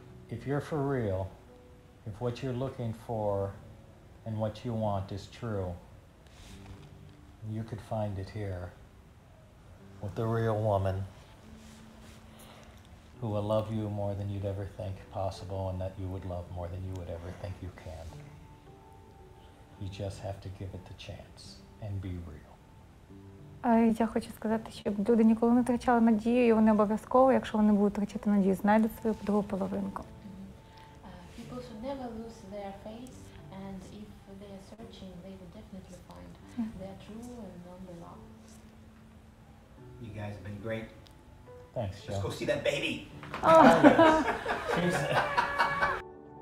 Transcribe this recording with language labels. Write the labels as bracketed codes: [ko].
[en] If you're for real, if what you're looking for and what you want is true, you could find it here with the real woman who will love you more than you'd ever think possible and that you would love more than you would ever think you can. You just have to give it the chance and be real. [uk] Я хочу сказати, щоб люди ніколи не втрачали надію, і вони обов'язково, якщо вони будуть втрачати надію, знайдуть свою другу половинку. [en] People should never lose their faith, and if they are searching, they will definitely find their true and only love. You guys have been great. Thanks, Joe. Let's go see that baby. Oh.